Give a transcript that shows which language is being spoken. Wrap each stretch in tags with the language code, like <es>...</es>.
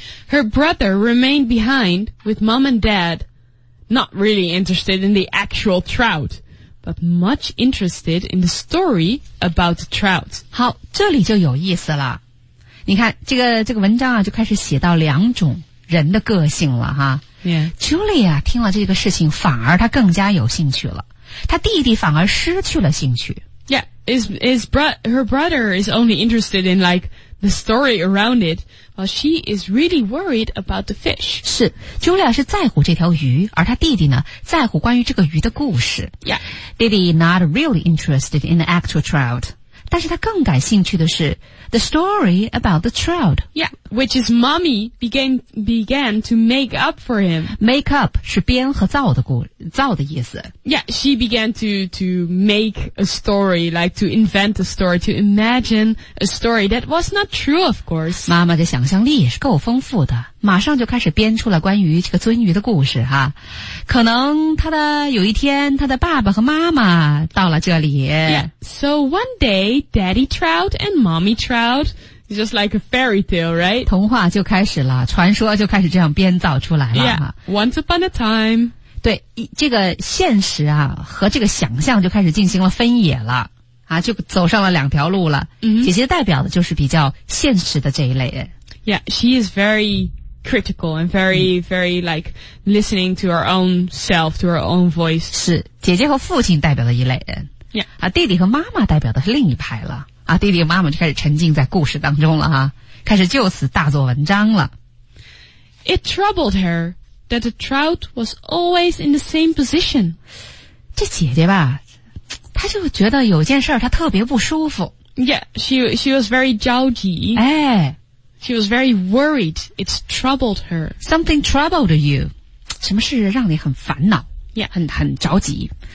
<en>Her brother remained behind with mom and dad, not really interested in the actual trout, but much interested in the story about the trout.</en> <zh>好，这里就有意思了。你看，这个文章啊，就开始写到两种人的个性了哈。</zh> <en>Yeah.</en> <zh>Julia 听了这个事情，反而她更加有兴趣了。她弟弟反而失去了兴趣。</zh> <en>Yeah, her brother is only interested in like,The story around it, well, she is really worried about the fish.</en> <zh>是 ,Julia 是在乎这条鱼而他弟弟呢在乎关于这个鱼的故事。</zh> <en>Yeah. 弟弟 not really interested in the actual trout.</en> <zh>但是他更感兴趣的是</zh> <en>the story about the trout. Yeah, which is mommy began to make up for him.</en> <zh>Make up 是编和造的造的意思。</zh> <en>Yeah, she began to make a story, like to invent a story, to imagine a story that was not true, of course.</en> <zh>妈妈的想象力也是够丰富的。马上就开始编出了关于这个鳟鱼的故事哈。可能他的有一天他的爸爸和妈妈到了这里。</zh> <en>Yeah, so one day, Daddy Trout and Mommy Trout, it's just like a fairy tale, right?</en> <zh>童话就开始了传说就开始这样编造出来了。</zh> <en>Yeah, once upon a time.</en> <zh>对这个现实啊和这个想象就开始进行了分野了。啊就走上了两条路了。 Mm-hmm. 姐姐代表的就是比较现实的这一类。</zh> <en>Yeah, she is very... critical and very, very like listening to our own self, to our own voice.</en> <zh>是姐姐和父亲代表的一类人。</zh> <en>Yeah.</en> <zh>啊弟弟和妈妈代表的是另一派了。啊弟弟和妈妈就开始沉浸在故事当中了哈开始就此大做文章了。</zh> <en>It troubled her that the trout was always in the same position.</en> <zh>这姐姐吧她就觉得有件事她特别不舒服。</zh> <en>Yeah, she was very 焦急。哎 She was very worried. It's troubled her. Something troubled you.</en> <zh>什么事让你很烦恼</zh> <en>Yeah.</en> <zh>很着急。</zh>